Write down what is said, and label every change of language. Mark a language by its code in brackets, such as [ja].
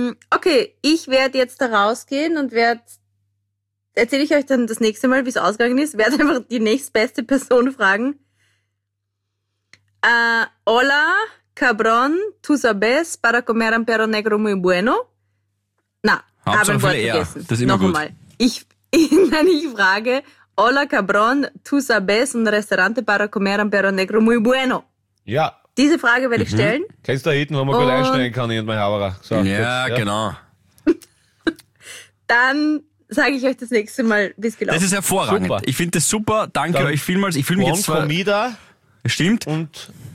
[de] Okay, ich werde jetzt da rausgehen und erzähle ich euch dann das nächste Mal, wie es ausgegangen ist, werde einfach die nächstbeste Person fragen. [es] Hola, Cabron, tu sabes, para comer un perro negro muy bueno? [de] Na, habe ein Wort vergessen. Das ist immer noch gut. Einmal. Ich frage, [es] hola Cabron, tu sabes, un restaurante para comer un perro negro muy bueno? [de] Ja. Diese Frage werde ich stellen. Kennst du da hinten, wo man gut einsteigen kann, ich und mein Haberer? So, ja, jetzt, ja, genau. Dann sage ich euch das nächste Mal, wie es gelaufen ist. Das ist hervorragend. Super. Ich finde das super. Danke dann euch vielmals. Ich fühle mich jetzt zwar [es] Comida. [de] Stimmt. Und